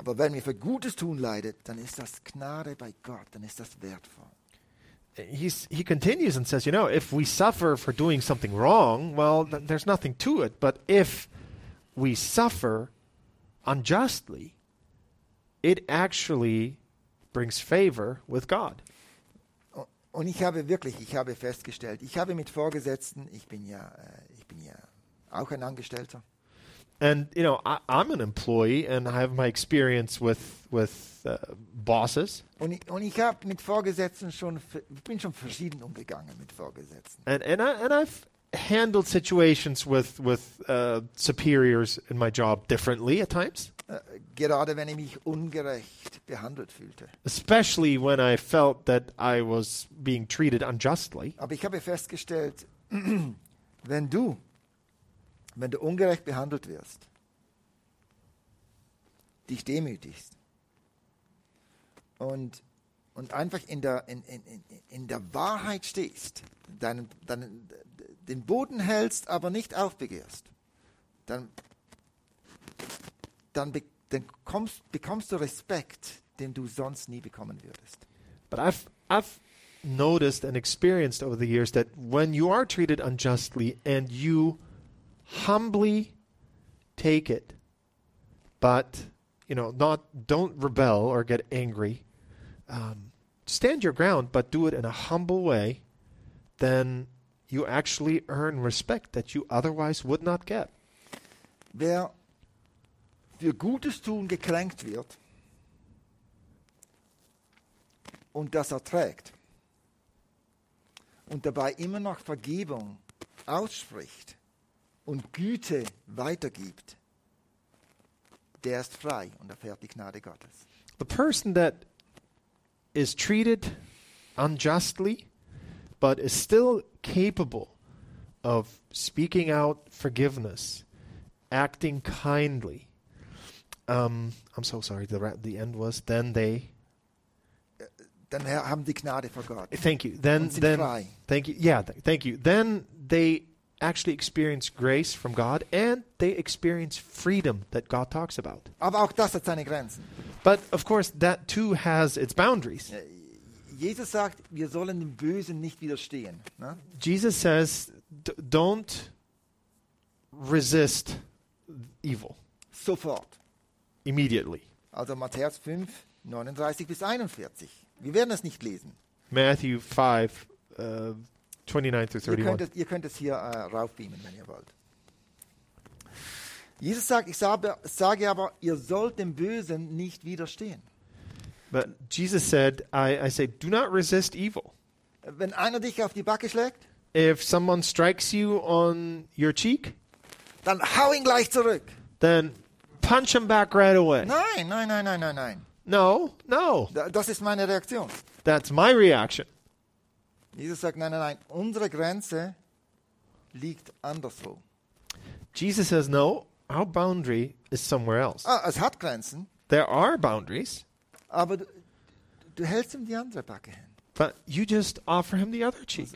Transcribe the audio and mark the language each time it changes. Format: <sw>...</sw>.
<de>Aber wenn wir für Gutes tun leidet, dann ist das Gnade bei Gott, dann ist das wertvoll.</de> <en>He continues and says, you know, if we suffer for doing something wrong, well, there's nothing to it. But if we suffer unjustly, it actually brings favor with God.</en> <de>Und ich habe wirklich, ich habe festgestellt, ich habe mit Vorgesetzten, ich bin ja auch ein Angestellter.</de> <en>And, you know, I'm an employee and I have my experience with bosses.</en> <de>Und ich habe mit Vorgesetzten schon, bin schon verschieden umgegangen mit Vorgesetzten.</de> <en>And I've handled situations with superiors in my job differently at times.</en> <de>Gerade wenn ich mich ungerecht behandelt fühlte.</de> <en>Especially when I felt that I was being treated unjustly.</en> <de>Aber ich habe festgestellt, wenn du ungerecht behandelt wirst, dich demütigst und einfach in der Wahrheit stehst, den Boden hältst, aber nicht aufbegehrst, dann bekommst du Respekt, den du sonst nie bekommen würdest.</de> <en>But I've noticed and experienced over the years that when you are treated unjustly and you humbly take it, but, you know, don't rebel or get angry, stand your ground, but do it in a humble way, then you actually earn respect that you otherwise would not get.</en> <de>Wer für Gutes tun gekränkt wird und das erträgt und dabei immer noch Vergebung ausspricht und Güte weitergibt, der ist frei und erfährt die Gnade Gottes.</de> <en>The person that is treated unjustly but is still capable of speaking out forgiveness, acting kindly. I'm so sorry, the end was, then they...</en> <de>Dann haben die Gnade vor Gott.</de> <en>Thank you. Then</en> <de>frei.</de> <en>Thank you. Yeah, thank you. Then they actually experience grace from God and they experience freedom that God talks about.</en> <de>Aber auch das hat seine Grenzen.</de> <en>But of course, that too has its boundaries.</en> <de>Jesus sagt, wir sollen dem Bösen nicht widerstehen. Ne?</de> <en>Jesus says, don't resist evil.</en> <de>Sofort.</de> <en>Immediately.</en> <de>Also Matthäus 5, 39 bis 41. Wir werden es nicht lesen.</de> <en>Matthew 5, 29 through 31.</en> <de>Ihr könnt es hier raufbeamen, wenn ihr wollt. Jesus sagt, ich sage aber, ihr sollt dem Bösen nicht widerstehen.</de> <en>But Jesus said, I say, do not resist evil.</en> <de>Wenn einer dich auf die Backe schlägt,</de> <en>if someone strikes you on your cheek,</en> <de>dann hau ihn gleich zurück.</de> <en>Then punch him back right away.</en> <de>Nein.</de> <en>No, no.</en> <de>Das ist meine Reaktion.</de> <en>That's my reaction.</en> <de>Jesus sagt, nein. Unsere Grenze liegt anderswo.</de> <en>Jesus says, no, our boundary is somewhere else.</en> <de>Ah, es hat Grenzen.</de> <en>There are boundaries.</en> <de>Aber du hältst ihm die andere Backe hin.</de> <en>But you just offer him the other cheek.</en>